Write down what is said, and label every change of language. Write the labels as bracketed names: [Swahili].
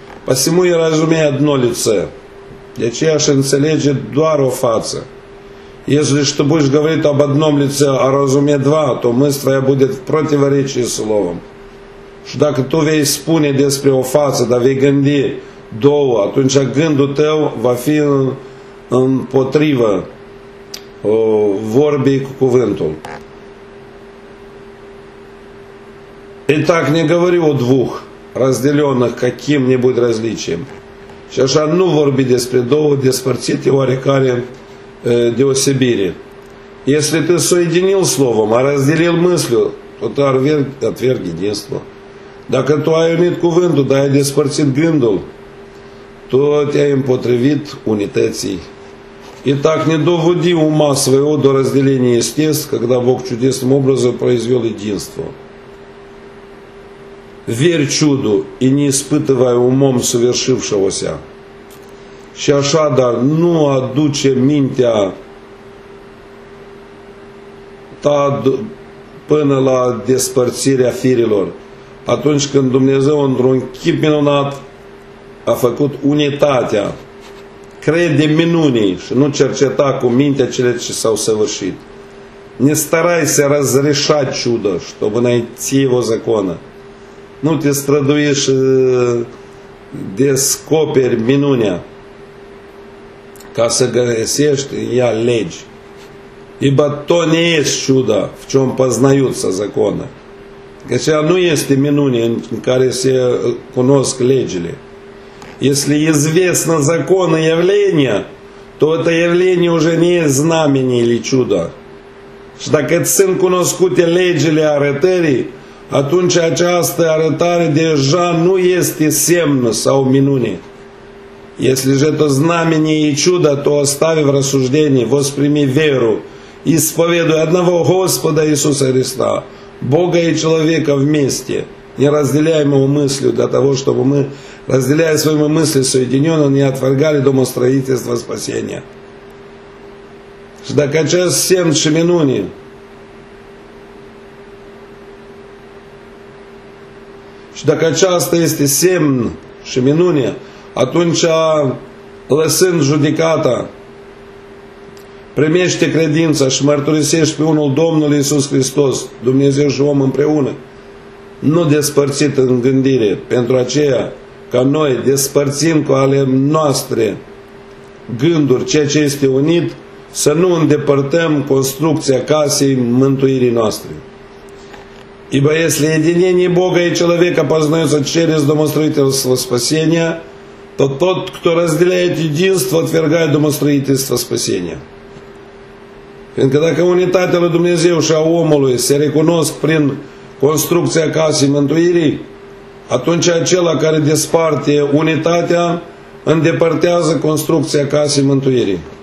[Russian] Посему я разумею одно лице. [Romanian] De aceea și înțelege doar o față. [Russian] Если что будешь говорить об одном лице, а разуме два, то мысль твоя будет в противоречии с словом. [Romanian] Și dacă tu vei spune despre o față, dar vei gândi două, atunci gândul tău va fi împotrivă vorbei cu cuvântul. [Russian] И так не говори о двух разделенных каким-нибудь различием. [Romanian] Și așa nu vorbi despre două despărțite oarecare deosebire. [Russian] Если ты соединил словом, а разделил мыслью, то ты отверг единство. [Romanian] Dacă tu ai unit cuvântul, dar ai despărțit gândul, tu te-ai împotrivit unității. [Russian] И так не доводи ума своего до разделения естеств, когда Бог чудесным образом произвел единство. Верь чуду и не испытывай умом совершившегося. [Romanian] Și așa, dar nu aduce mintea ta până la despărțirea firilor. Atunci când Dumnezeu într-un chip minunat a făcut unitatea, crede minunii și nu cerceta cu mintea cele ce s-au săvârșit. [Russian] Не старайся разрешать чудо, чтобы найти его закона. [Romanian] Nu te străduiești descoperi minunea ca să găsești ea legi. [Russian] Ибо то не есть чудо, в чем познаются законы. [Romanian] Aceea nu este minune în care se cunosc legile. [Russian] Если известно законы явления, то это явление уже не знамение или чудо. [Romanian] Și dacă sunt cunoscute legile arătării, atunci această arătare deja nu este semn sau minune. [Russian] Если же это знамение и чудо, то остави в рассуждении, восприми веру, исповедуй одного Господа Иисуса Христа, Бога и человека вместе, неразделяемого мыслью, для того, чтобы мы, разделяя свою мысль соединенно, не отвергали домостроительство спасения. [Romanian] Și dacă acest semn și minune și dacă aceasta este semn și minune, atunci lăsând judecata, primește credința și mărturisești pe unul Domnul Iisus Hristos, Dumnezeu și om împreună, nu despărțit în gândire, pentru aceea ca noi despărțim cu ale noastre gânduri ceea ce este unit, să nu îndepărtăm construcția casei mântuirii noastre. [Russian] Ибо если единение Бога и человека познается через домостроительство спасения, то тот, кто разделяет единство, отвергает домостроительство спасения. [Romanian] Fiindcă dacă unitatea lui Dumnezeu și a omului se recunosc prin construcția casei mântuirii, atunci acela care desparte unitatea îndepărtează construcția casei mântuirii.